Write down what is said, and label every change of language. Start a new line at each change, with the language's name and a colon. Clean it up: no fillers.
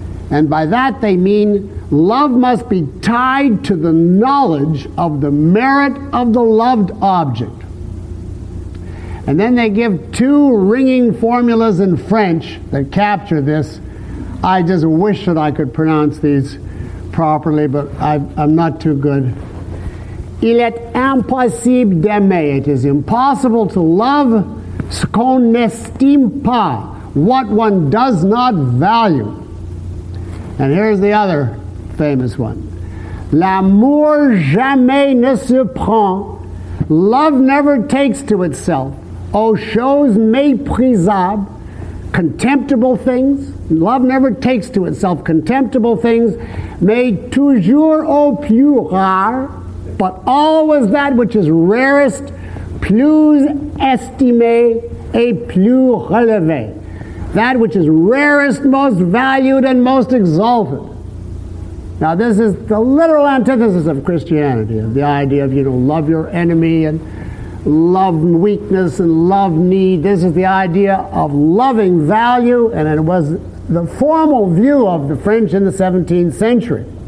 English: And by that they mean love must be tied to the knowledge of the merit of the loved object. And then they give two ringing formulas in French that capture this. I just wish that I could pronounce these properly, but I'm not too good.
French: Il est impossible d'aimer.
English: It is impossible to love
French: ce qu'on n'estime pas,
English: what one does not value. And here's the other famous one.
French: L'amour jamais ne se prend.
English: Love never takes to itself.
French: Oh, choses méprisables,
English: contemptible things. Love never takes to itself contemptible things, made
French: toujours au plus rare,
English: but always that which is rarest,
French: plus estimé et plus relevé.
English: That which is rarest, most valued, and most exalted. Now, this is the literal antithesis of Christianity, of the idea of, you know, love your enemy and love weakness and love need. This is the idea of loving value, and it was the formal view of the French in the 17th century.